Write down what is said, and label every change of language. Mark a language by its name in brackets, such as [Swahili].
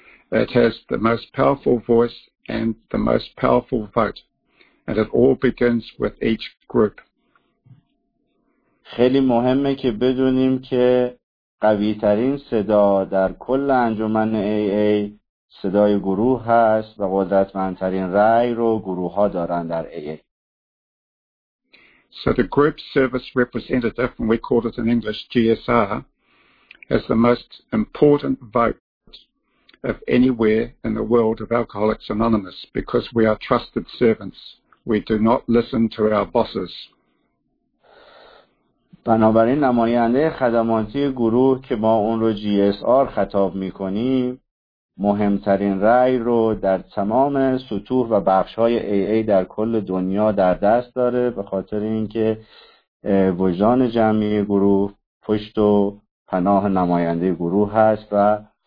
[English] It has the most powerful voice and the most powerful vote, and it all begins with each group. [Persian] خیلی مهمه که بدونیم که قوی ترین صدا در کل انجمن AA صدای گروه هست، و قدرتمندترین رأی رو گروه‌ها دارن در AA. [English] So the group service representative, and we call it in English GSR, has the most important vote of anywhere in the world of Alcoholics Anonymous because we are trusted servants. We do not listen to our bosses. [Persian] بنابراین نماینده خدماتی گروه که ما اون رو GSR خطاب میکنیم، مهمترین رأی رو در تمام سطوح و بخش‌های AA در کل دنیا در دست داره، به خاطر اینکه وجدان جمعی گروه پشت و پناه نماینده گروه هست، و